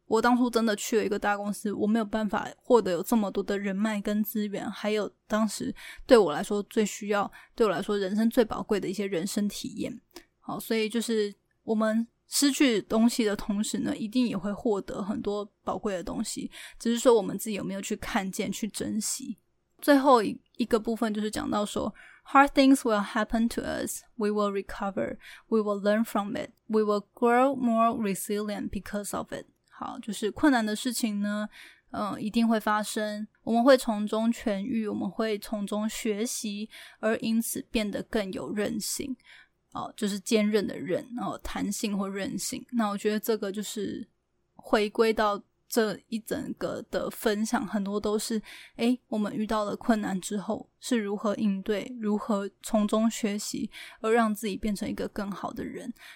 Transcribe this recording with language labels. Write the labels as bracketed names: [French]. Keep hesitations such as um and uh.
[Chinese] 我当初真的去了一个大公司，我没有办法获得有这么多的人脉跟资源，还有当时对我来说最需要，对我来说人生最宝贵的一些人生体验。好，所以就是我们失去东西的同时呢，一定也会获得很多宝贵的东西，只是说我们自己有没有去看见、去珍惜。最后一一个部分就是讲到说， [English] hard things will happen to us, we will recover, we will learn from it, we will grow more resilient because of it. [Chinese] 好，就是困难的事情呢，嗯、呃，一定会发生。我们会从中痊愈，我们会从中学习，而因此变得更有韧性。哦、呃，就是坚韧的韧，哦，弹性或韧性。那我觉得这个就是回归到这一整个的分享，很多都是诶，我们遇到了困难之后是如何应对，如何从中学习，而让自己变成一个更好的人。